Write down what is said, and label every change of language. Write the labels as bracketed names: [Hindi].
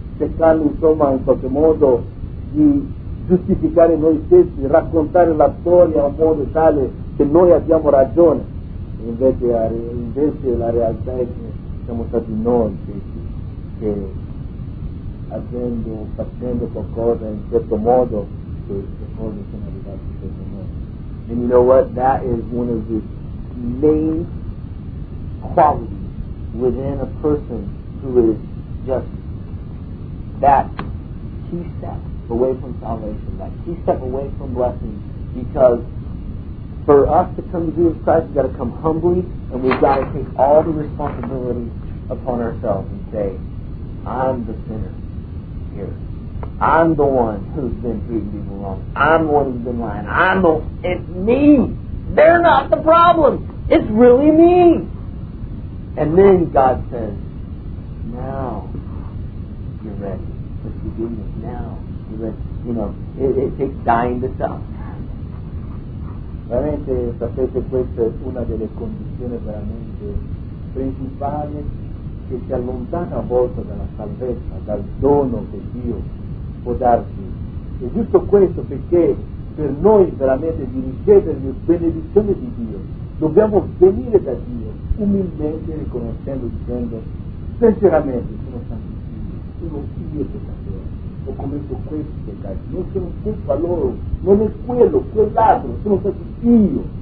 [Italian] Cercando insomma in qualche modo di giustificare noi stessi, raccontare la storia in modo tale che noi abbiamo ragione, invece la realtà è che siamo stati noi stessi che facendo qualcosa in certo modo che le cose sono arrivate in certo modo. [English] And you know what? That is one of the main qualities within a person who is just that key step away from salvation, that key step away from blessing, because for us to come to Jesus Christ, we've got to come humbly, and we've got to take all the responsibility upon ourselves and say, I'm the sinner here. I'm the one who's been treating people wrong. I'm the one who's been lying. It's me. They're not the problem. It's really me. And then God says, now you're ready for forgiveness. Now you're ready. You know, it takes dying to self. [Italian] Veramente sapete, questa è una delle condizioni veramente principali che ti allontana a volte dalla salvezza, dal dono che Dio può darti. È giusto questo, perché per noi veramente di ricevere le benedizioni di Dio dobbiamo venire da Dio umilmente, riconoscendo, dicendo sinceramente: sono santo Dio, sono figlio peccatore, ho commesso questi peccati, non sono colpa loro, non è quello, quell'altro, sono stato io.